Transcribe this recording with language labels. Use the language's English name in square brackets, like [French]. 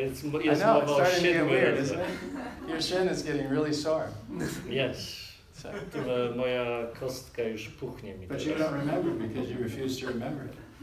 [English] I know, it's starting to get weird, isn't it? Your shin is getting really sore. Yes. So. [Polish] Moja kostka już puchnie mi. [English] But teraz. You don't remember because you refuse to remember it.